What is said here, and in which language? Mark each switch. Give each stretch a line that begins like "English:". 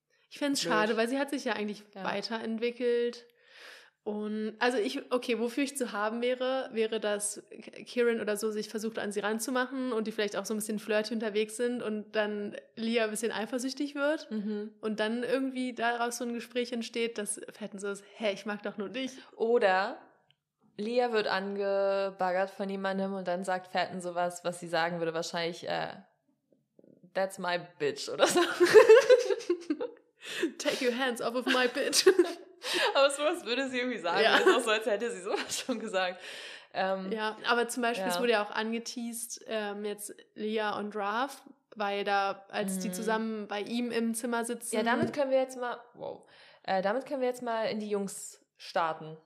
German: Ich fände es schade, weil sie hat sich ja eigentlich weiterentwickelt. Und also wofür ich zu haben wäre, dass Kieran oder so sich versucht, an sie ranzumachen und die vielleicht auch so ein bisschen flirty unterwegs sind und dann Leah ein bisschen eifersüchtig wird und dann irgendwie daraus so ein Gespräch entsteht, dass Fatten so ist, hey, ich mag doch nur dich. Oder Leah wird angebaggert von jemandem und dann sagt Fatten sowas, was sie sagen würde, wahrscheinlich,
English: that's my bitch
German: oder so.
English: Take your hands off of my bitch.
German: Aber sowas würde sie irgendwie sagen. Ja. Ist auch so, als hätte sie sowas schon gesagt. Ja, aber zum Beispiel, es wurde ja auch angeteased, jetzt Leah und Raph, weil da, als die zusammen bei ihm im Zimmer sitzen. Ja, damit können wir jetzt mal, damit können wir jetzt mal in die Jungs starten.